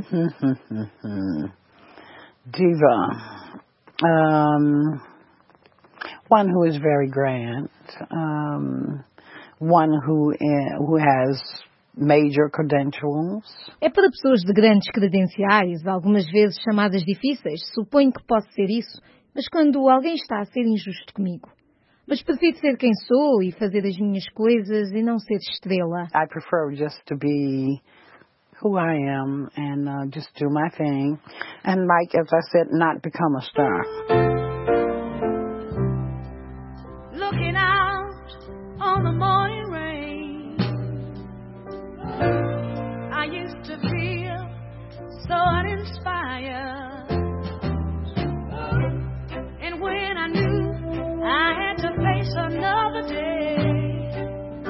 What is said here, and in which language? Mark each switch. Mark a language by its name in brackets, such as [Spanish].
[English] Diva, one who is very grand, one who has major credentials. [Portuguese] É para pessoas de grandes credenciais, algumas vezes chamadas difíceis, suponho que posso ser isso, mas quando alguém está a ser injusto comigo. Mas prefiro ser quem sou e fazer as minhas coisas e não ser estrela. [English] I prefer just to be who I am and just do my thing and, like as I said, not become a star. Looking out on the morning rain, I used to feel so uninspired, and when I knew I had to face another day,